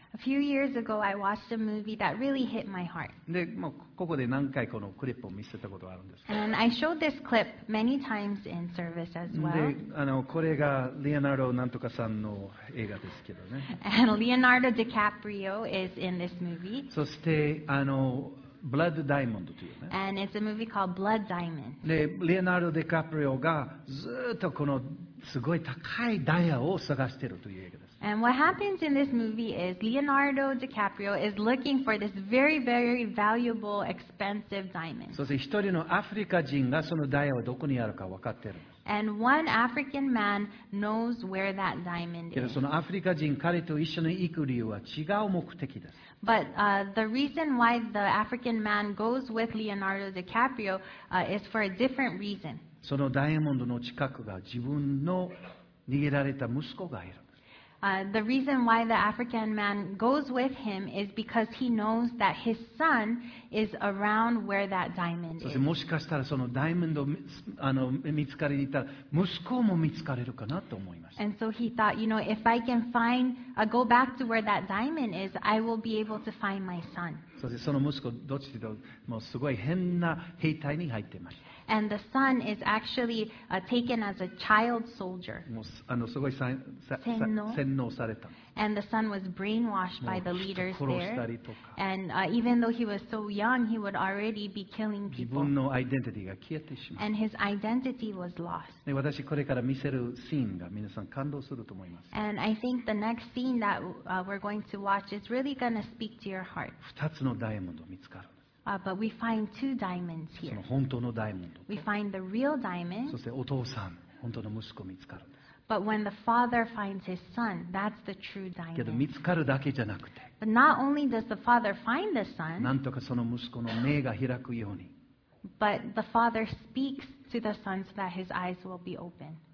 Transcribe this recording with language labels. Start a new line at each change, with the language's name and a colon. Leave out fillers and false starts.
English: A few years ago, I watched a movie that really hit my heart.
Japanese: で、もうここで何回このクリップを見せたことがあるんですか。
English: And I showed this clip many times in service as well.
Japanese: で、これがレオナルド・なんとかさんの映画ですけどね。
English: And Leonardo DiCaprio is in this movie.
Japanese: そして、Blood Diamond というね。
English: And it's a movie called Blood Diamond.
Japanese: で、レオナルド・DiCaprio がずっとこのすごい高いダイヤを探しているという映画です。
English: And what happens in this movie is Leonardo DiCaprio is looking for this very, very valuable, expensive diamond.
Japanese: そして一人のアフリカ人がそのダイヤはどこにあるか分かってる。
English: And one African man knows where that diamond is.
Japanese: けどそのアフリカ人彼と一緒に行く理由は違う目的です。
English: But the reason why the African man goes with Leonardo DiCaprio is for a different reason.
Japanese: そのダイヤモンドの近くが自分の逃げられた息子がいる。
English: The reason why the African man goes with him is because he knows that his son is around where that diamond is.
Japanese: そしてもしかしたらそのダイヤモンドを見つかりに行ったら息子も見つかれるかなと思いました。
English: And so he thought, you know, if I can find, go back to where that diamond is, I will be able to find my son.
Japanese: そしてその息子どっちでもすごい変な兵隊に入っています。
English: And the son is actually taken as a child soldier.
Japanese: すごい洗脳された。
English: And the son was brainwashed by the leaders there. And even though he was so young, he would already be killing people.
Japanese: 自分のアイデンティティが消えてしまう。
English: And his identity was lost.
Japanese: 私これから見せるシーンが皆さん感動すると思います。
English: And I think the next scene that we're going to watch is really going to speak to your heart.
Japanese: 2つのダイヤモンドを見つかる。
English: But we find two diamonds here.
Japanese: その本当のダイヤモンド。
English: We find the real diamond.
Japanese: そしてお父さん、本当の息子を見つかる。
English: But when the father finds his son, that's the true diamond.
Japanese: けど見つかるだけじゃなくて。
English: But not only does the father find the son.
Japanese: なんとかその息子の目が開くように。
English: But the father speaks to the son so that his eyes will be open.